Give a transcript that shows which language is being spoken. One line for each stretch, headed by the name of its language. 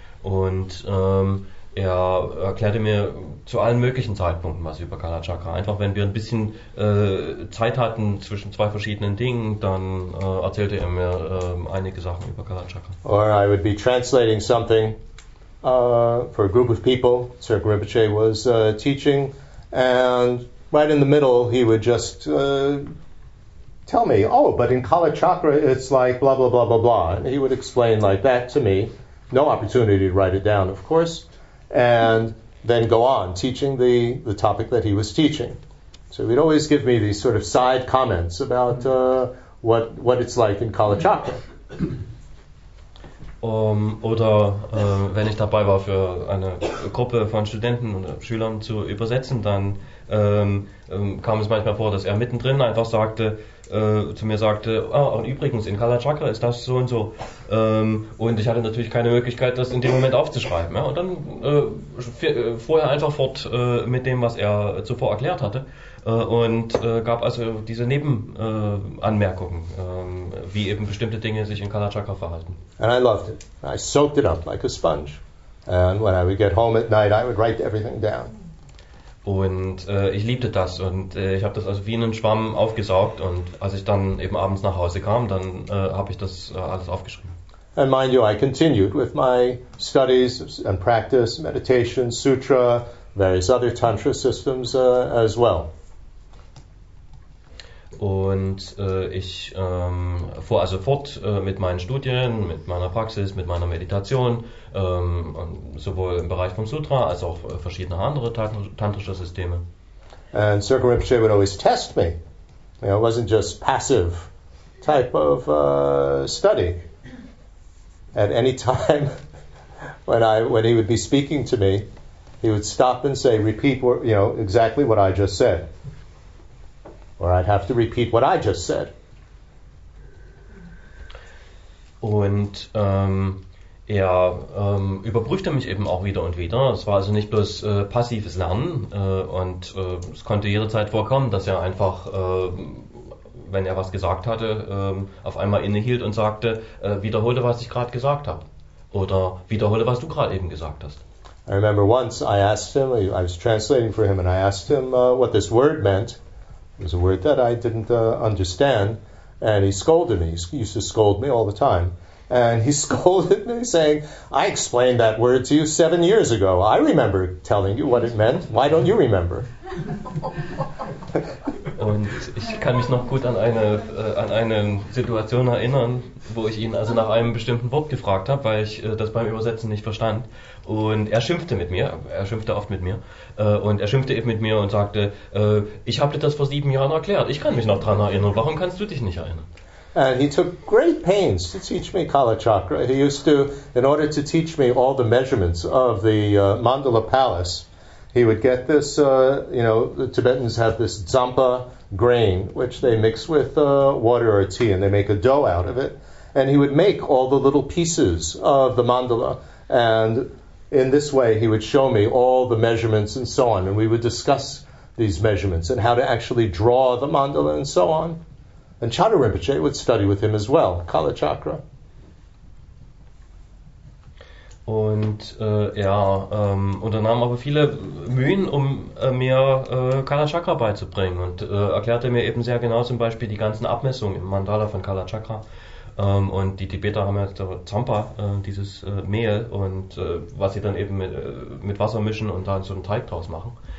German: Und er erklärte mir zu allen möglichen Zeitpunkten was über Kalachakra. Einfach wenn wir ein bisschen Zeit hatten zwischen zwei verschiedenen Dingen, dann erzählte er mir einige Sachen über Kalachakra.
English: Or I would be translating something for a group of people. Sir Rinpoche was teaching and right in the middle he would just tell me, oh, but in Kalachakra it's like blah blah blah blah blah. And he would explain like that to me. No opportunity to write it down, of course. And then go on teaching the topic that he was teaching. So he'd always give me these sort of side comments about what it's like in Kalachakra.
German: Oder wenn ich dabei war, für eine Gruppe von Studenten oder Schülern zu übersetzen, dann kam es manchmal vor, dass er mittendrin einfach sagte, zu mir sagte, ah, und übrigens, in Kalachakra ist das so und so. Und ich hatte natürlich keine Möglichkeit, das in dem Moment aufzuschreiben. Ja? Und dann fuhr er einfach fort mit dem, was er zuvor erklärt hatte, und gab also diese Nebenanmerkungen, wie eben bestimmte Dinge sich in Kalachakra verhalten.
English: And I loved it. I soaked it up like a sponge. And when I would get home at night, I would write everything down.
German: Und ich liebte das, und ich habe das also wie einen Schwamm aufgesaugt, und als ich dann eben abends nach Hause kam, dann habe ich das alles aufgeschrieben.
English: And mind you, I continued with my studies and practice, meditation, sutra, various other tantra systems as well.
German: Und ich fuhr also fort mit meinen Studien, mit meiner Praxis, mit meiner Meditation, sowohl im Bereich vom Sutra als auch verschiedene andere tantrische Systeme.
English: And Sirkin Rinpoche would always test me. You know, it wasn't just passive type of study. At any time when he would be speaking to me, he would stop and say, repeat, you know, exactly what I just said. Or I'd have to repeat what I just said.
German: Und er überprüfte mich eben auch wieder und wieder. Es war also nicht bloß passives Lernen, und es konnte jederzeit vorkommen, dass er einfach, wenn er was gesagt hatte, auf einmal innehielt und sagte, wiederhole, was ich gerade gesagt habe. Oder wiederhole, was du gerade eben gesagt hast.
English: I remember once I asked him, I was translating for him, and I asked him what this word meant. It was a word that I didn't understand, and he scolded me. He used to scold me all the time. And he scolded me, saying, I explained that word to you 7 years ago. I remember telling you what it meant. Why don't you remember?
German: Und ich kann mich noch gut an eine Situation erinnern, wo ich ihn also nach einem bestimmten Wort gefragt habe, weil ich das beim Übersetzen nicht verstand. Und er schimpfte mit mir, er schimpfte oft mit mir, und er schimpfte eben mit mir und sagte, ich habe dir das vor 7 Jahren erklärt, ich kann mich noch dran erinnern, warum kannst du dich nicht erinnern?
English: And he took great pains to teach me Kalachakra. He used to, in order to teach me all the measurements of the Mandala Palace, he would get this, you know, the Tibetans have this dzampa grain, which they mix with water or tea, and they make a dough out of it. And he would make all the little pieces of the mandala. And in this way, he would show me all the measurements and so on. And we would discuss these measurements and how to actually draw the mandala and so on. And Chada Rinpoche would study with him as well, Kalachakra.
German: Und er unternahm aber viele Mühen, um mir Kalachakra beizubringen, und erklärte mir eben sehr genau zum Beispiel die ganzen Abmessungen im Mandala von Kalachakra. Und die Tibeter haben ja so Zampa, dieses Mehl, und was sie dann eben mit Wasser mischen und dann so einen Teig draus machen.